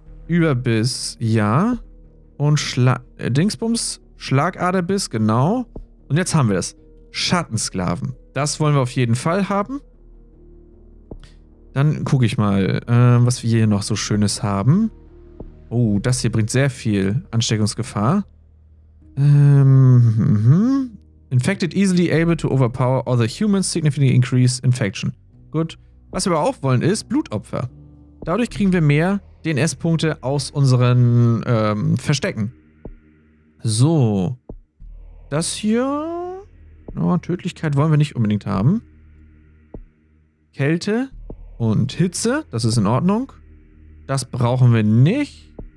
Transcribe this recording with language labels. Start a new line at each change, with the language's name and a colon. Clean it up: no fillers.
German: Überbiss, ja. Und Schlagaderbiss, genau. Und jetzt haben wir das. Schattensklaven. Das wollen wir auf jeden Fall haben. Dann gucke ich mal, was wir hier noch so Schönes haben. Oh, das hier bringt sehr viel Ansteckungsgefahr.
English: Infected easily able to overpower other humans, significantly increase infection.
German: Gut. Was wir aber auch wollen ist Blutopfer. Dadurch kriegen wir mehr DNS-Punkte aus unseren Verstecken. So. Das hier. Oh, Tödlichkeit wollen wir nicht unbedingt haben. Kälte und Hitze, das ist in Ordnung. Das brauchen wir nicht.